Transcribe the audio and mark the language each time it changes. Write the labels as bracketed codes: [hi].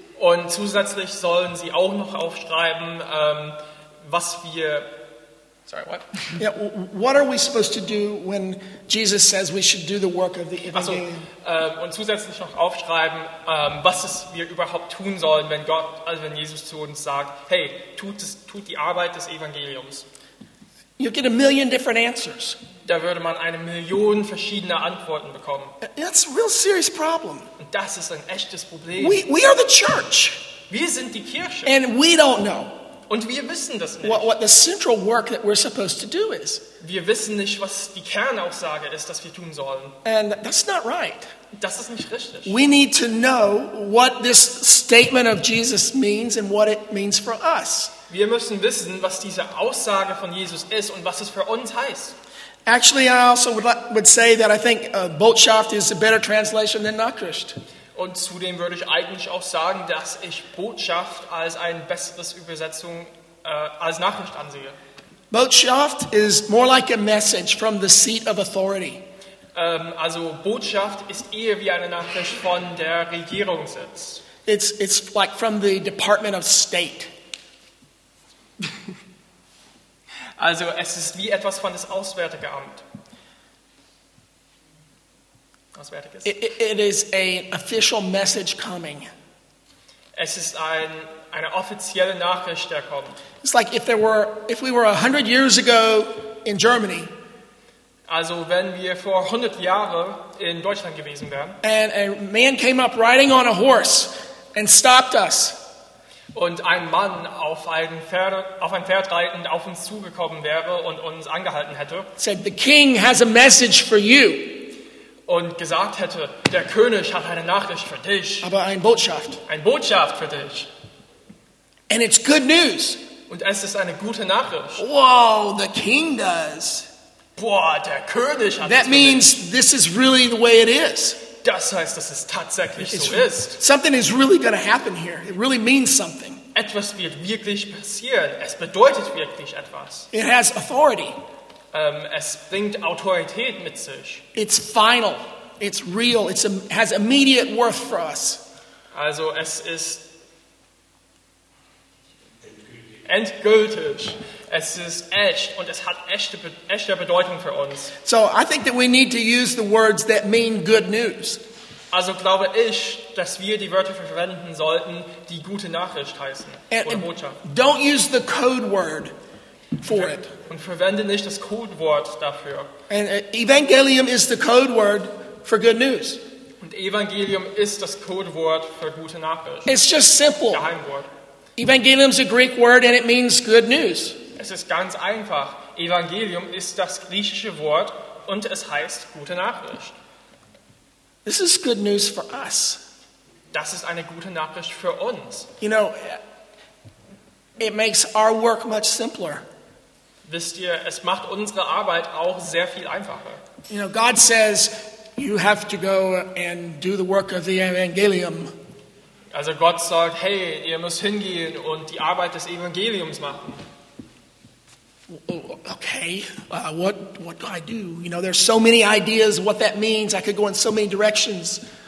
[de] Und zusätzlich sollen sie auch noch aufschreiben, was wir... [en] Sorry, what? Yeah, what are we supposed to do when Jesus says we should do the work of the evangelium? [de] Also, und zusätzlich noch aufschreiben, was es wir überhaupt tun sollen, wenn Gott, also wenn Jesus zu uns sagt, hey, tut die Arbeit des Evangeliums. [en] You get a million different answers. [de] Da würde man eine Million verschiedene Antworten bekommen. [en] That's a real serious problem. [de] Und das ist ein echtes Problem. [en] We are the church. [de] Wir sind die Kirche. [en] And we don't know. [de] Und wir wissen das nicht. [en] What the central work that we're supposed to do is. [de] Wir wissen nicht, was die Kernaussage ist, dass wir tun sollen. [en] And that's not right. [de] Das ist nicht richtig. [en] We need to know what this statement of Jesus means and what it means for us. [de] Wir müssen wissen, was diese Aussage von Jesus ist und was es für uns heißt. [en] Actually, I also would say that I think Botschaft is a better translation than Nachricht. [de] Und zudem würde ich eigentlich auch sagen, dass ich Botschaft als ein besseres Übersetzung als Nachricht ansehe. [en] Botschaft is more like a message from the seat of authority. [de] Also Botschaft ist eher wie eine Nachricht von der Regierungssitz. [en] It's like from the Department of State. [de] Also es ist wie etwas von das Auswärtige Amt. [en] It is an official message coming. [de] Es ist eine offizielle Nachricht, der kommt. [en] It's like if we were 100 years ago in Germany. [de] Also wenn wir vor 100 Jahren in Deutschland gewesen wären. [en] And a man came up riding on a horse and stopped us. [de] Und ein Mann auf ein Pferd reitend auf uns zugekommen wäre und uns angehalten hätte. [en] Said the king has a message for you. [de] Und gesagt hätte, der König hat eine Nachricht für dich. Aber eine Botschaft. Eine Botschaft für dich. [en] And it's good news. [de] Und es ist eine gute Nachricht. [en] Wow, the king does. [de] Boah, der König hat. [en] That means this is really the way it is. [de] Das heißt, dass es tatsächlich so ist. [en] Something is really going to happen here. It really means something. [de] Etwas wird wirklich passieren. Es bedeutet wirklich etwas. [en] It has authority. [de] Es bringt Autorität mit sich. [en] It's final. It's real. It has immediate worth for us. [de] Also es ist endgültig. Es ist echt und es hat echte Bedeutung für uns. [en] So I think that we need to use the words that mean good news. [de] Also glaube ich, dass wir die Wörter verwenden sollten, die gute Nachricht heißen oder Botschaft. [en] Don't use the code word for it. [de] Und verwende nicht das Codewort dafür. [en] And Evangelium is the code word for good news. [de] Und Evangelium ist das Codewort für gute Nachricht. [en] It's just simple. [de] Geheimwort. [en] Evangelium is a Greek word and it means good news. [de] Es ist ganz einfach. Evangelium ist das griechische Wort und es heißt gute Nachricht. [en] This is good news for us. [de] Das ist eine gute Nachricht für uns. [en] You know, it makes our work much simpler. [de] Wisst ihr, es macht unsere Arbeit auch sehr viel einfacher. [en] You know, God says you have to go and do the work of the evangelium. [de] Also Gott sagt, hey, ihr müsst hingehen und die Arbeit des Evangeliums machen. [en] Okay, what do I do? You know, there's so many ideas what that means. I could go in so many directions.